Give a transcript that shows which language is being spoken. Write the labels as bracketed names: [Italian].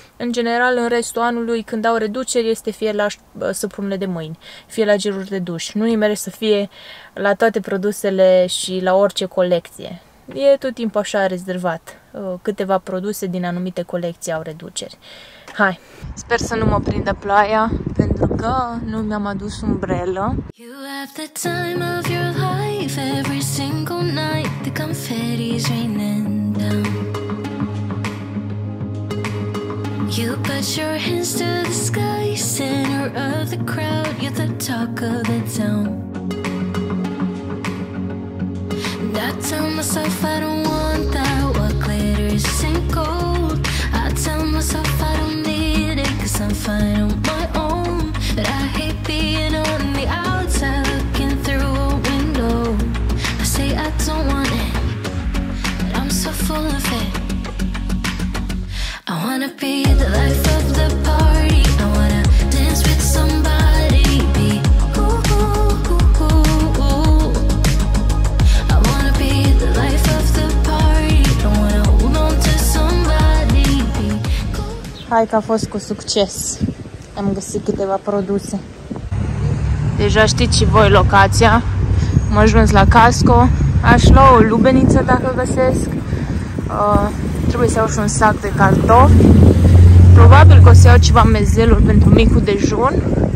[Romanian] În general, în restul anului, când au reduceri, este fie la săpunele de mâini, fie la geluri de duș. Nu nimere să fie la toate produsele și la orice colecție. E tot timpul așa rezervat. Câteva produse din anumite colecții au reduceri. Hai! Sper să nu mă prindă ploaia, pentru că nu mi-am adus umbrelă. [English] You have the time of your life, every single night, the confetti's raining down. You put your hands to the sky, center of the crowd, you're the talk of the town. And I tell myself I don't want that, what glitters ain't gold. I tell myself I don't need it, cause I'm fine on my own. But I hate being on the outside, looking through a window. I say I don't want it, but I'm so full of it. I wanna be the life of the party. I wanna dance with somebody. Be ooh. I wanna be the life of the party. I wanna hold on to somebody. Be cool. [Romanian] Hai că a fost cu succes. Am găsit câteva produse. Deja știți și voi locația. Am ajuns la Casco. Aș lua o lubeniță dacă găsesc. Trebuie să iau și un sac de cartofi. Probabil că o să iau ceva mezeluri pentru micul dejun.